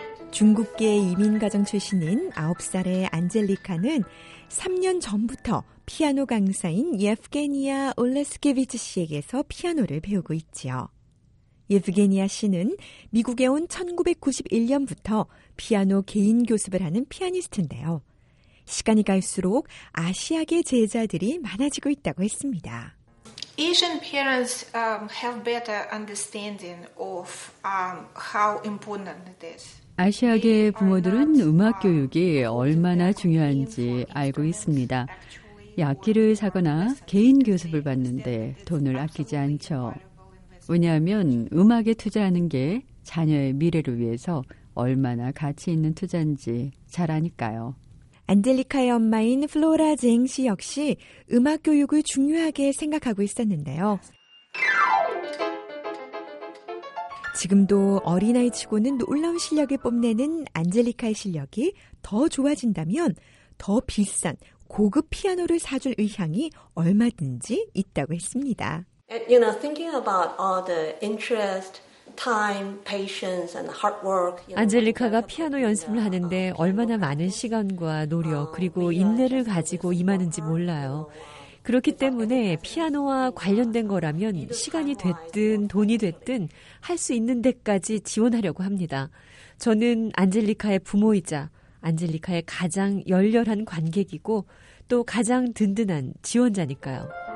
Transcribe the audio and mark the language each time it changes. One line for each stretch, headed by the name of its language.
Korean: 중국계 이민 가정 출신인 9살의 안젤리카는 3년 전부터 피아노 강사인 예프게니아 올레스케비츠 씨에게서 피아노를 배우고 있지요. 예프게니아 씨는 미국에 온 1991년부터 피아노 개인 교습을 하는 피아니스트인데요. 시간이 갈수록 아시아계 제자들이 많아지고 있다고 했습니다.
English: Asian parents have better understanding of how important it is.
Korean: 아시아계 부모들은 음악 교육이 얼마나 중요한지 알고 있습니다. 악기를 사거나 개인 교습을 받는데 돈을 아끼지 않죠. 왜냐하면 음악에 투자하는 게 자녀의 미래를 위해서 얼마나 가치 있는 투자인지 잘 아니까요. 안젤리카의 엄마인 플로라 쟁 씨 역시 음악 교육을 중요하게 생각하고 있었는데요. 지금도 어린아이치고는 놀라운 실력을 뽐내는 안젤리카의 실력이 더 좋아진다면 더 비싼 고급 피아노를 사줄 의향이 얼마든지 있다고 했습니다.
English: You know, thinking about all the interest time, patience, and hard work.
Korean: 안젤리카가 피아노 연습을 하는데 얼마나 많은 시간과 노력 그리고 인내를 가지고 임하는지 몰라요. 그렇기 때문에 피아노와 관련된 거라면 시간이 됐든 돈이 됐든 할 수 있는 데까지 지원하려고 합니다. 저는 안젤리카의 부모이자 안젤리카의 가장 열렬한 관객이고 또 가장 든든한 지원자니까요.